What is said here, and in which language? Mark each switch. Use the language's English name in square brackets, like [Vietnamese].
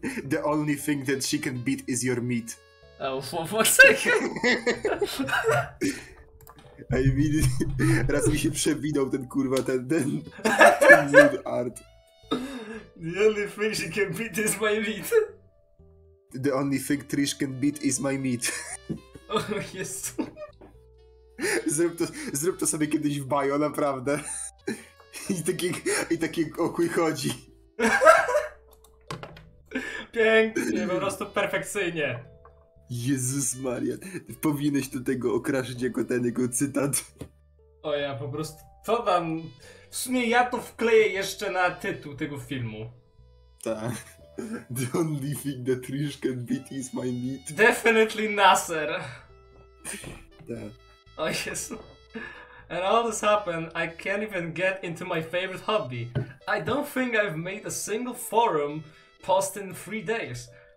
[English] The only thing that she can beat is your meat. Oh, for sake. [Polish] I mean, raz mi się przewinął ten kurwa, ten [English] nude art. The only thing she can beat is my meat. The only thing Trish can beat is my meat. Oh, yes. [Polish] Zrób to sobie kiedyś w bio, naprawdę. I taki o chuj chodzi. Pięknie, po prostu perfekcyjnie. Jezus Maria, powinieneś do tego okraszyć jako ten jego cytat. O ja po prostu, to tam... W sumie ja to wkleję jeszcze na tytuł tego filmu. Tak. [English] The only thing that Trish can beat is my meat. Definitely Nasser. [Polish] Tak. O Jezu. [English] And all this happened, I can't even get into my favorite hobby. I don't think I've made a single forum post in 3 days.